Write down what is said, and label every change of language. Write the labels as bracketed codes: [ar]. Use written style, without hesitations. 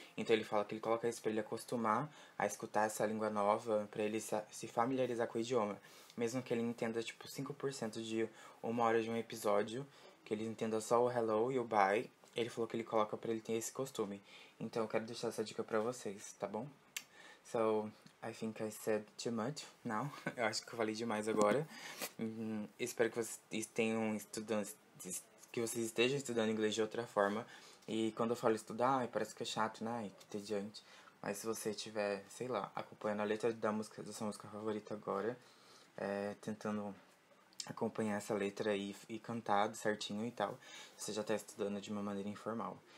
[pt] Então ele fala que ele coloca isso pra ele acostumar a escutar essa língua nova, pra ele se familiarizar com o idioma, mesmo que ele entenda tipo 5% de uma hora de um episódio, que ele entenda só o hello e o bye. Ele falou que ele coloca pra ele ter esse costume. Então eu quero deixar essa dica pra vocês, tá bom? [en] So, I think I said too much now. [pt] Eu acho que eu falei demais agora. Espero que vocês tenham estejam estudando inglês de outra forma. E quando eu falo estudar, parece que é chato, né? E tediante. Mas se você estiver, sei lá, acompanhando a letra da sua música favorita agora, tentando acompanhar essa letra e cantar certinho e tal, você já tá estudando de uma maneira informal.